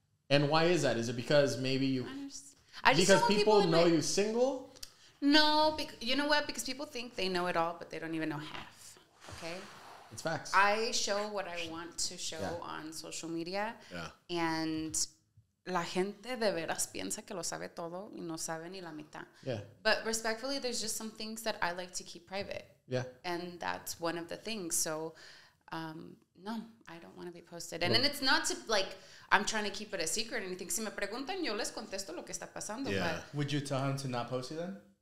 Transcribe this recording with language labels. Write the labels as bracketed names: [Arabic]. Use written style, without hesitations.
[English] And why is that? Is it because maybe you... Because people know you single? No. You know what? Because people think they know it all, but they don't even know half. Okay? It's facts. I show what I want to show on social media. Yeah. And... [Spanish] La gente de veras piensa que lo sabe todo y no sabe ni la mitad. [English] Yeah. But respectfully, there's just some things that I like to keep private. Yeah. And that's one of the things. So, no, I don't want to be posted. And it's not to, like, I'm trying to keep it a secret or anything. [Spanish] Si me preguntan, yo les contesto lo que está pasando. [English] Yeah. But would you tell him to not post it then?